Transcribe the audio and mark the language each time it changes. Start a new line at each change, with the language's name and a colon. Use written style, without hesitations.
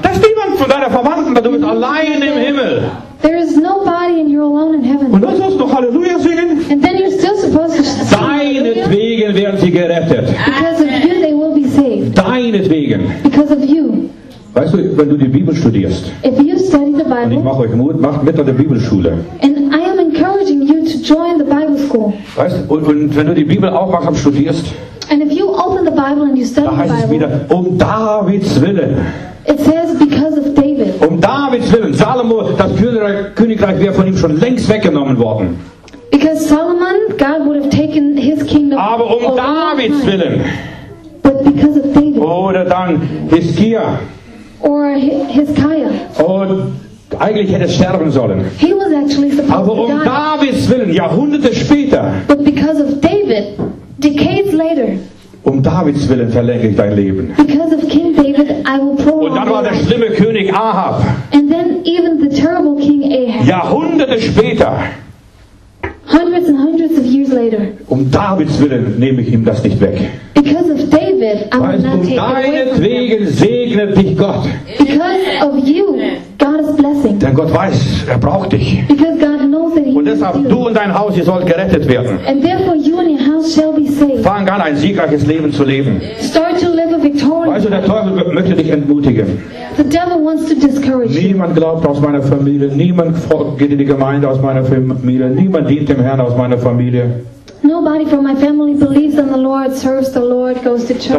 German: Da ist niemand von deiner Verwandten, weil du bist allein im Himmel.
English: There is nobody and you're alone in heaven.
German: Und dann sollst du Halleluja singen.
English: And then you're still supposed to sing.
German: Deinetwegen werden sie gerettet.
English: Because of you they will be saved.
German: Deinetwegen.
English: Because of you.
German: Weißt du, wenn du die Bibel studierst,
English: if you study the Bible,
German: und ich mache euch Mut, macht mit an der Bibelschule.
English: And I am encouraging you to join the Bible school.
German: Weißt du, und wenn du die Bibel aufmachst, studierst,
English: and if you open the Bible and you study
German: da heißt
English: the Bible,
German: es wieder, um Davids Willen.
English: It says because of David.
German: Um Davids Willen. Salomo, das Königreich wäre von ihm schon längst weggenommen worden.
English: Because Solomon, God would have taken his kingdom.
German: Aber um Davids willen.
English: But because of David.
German: Oder dann Hiskia.
English: Or Hiskiah.
German: Und eigentlich hätte er sterben sollen.
English: He was actually supposed
German: Aber um
English: to die.
German: Davids willen, Jahrhunderte später.
English: But because of David, decades later.
German: Um Davids willen verlänge ich dein Leben.
English: Because of King David, I will prolong
German: Und dann war der schlimme König Ahab.
English: And then even the terrible King Ahab.
German: Jahrhunderte später.
English: Hundreds and hundreds of years later.
German: Um Davids willen nehme ich ihm das nicht weg.
English: Because of David, I will not take it away from him.
German: Um deinetwegen segnet dich Gott.
English: Because of you, God is blessing.
German: Denn Gott weiß, er braucht dich.
English: Because God knows that he
German: Und deshalb,
English: needs
German: du und dein Haus, ihr sollt gerettet werden.
English: And therefore, you and your house shall be saved.
German: Fang an, ein siegreiches Leben zu leben.
English: Start to live a victorious life.
German: Der Teufel möchte dich entmutigen.
English: The devil wants to discourage you.
German: Niemand glaubt aus meiner Familie. Niemand geht in die Gemeinde aus meiner Familie. Niemand dient dem Herrn aus meiner Familie.
English: Nobody from my family believes in the Lord, serves the Lord, goes to church.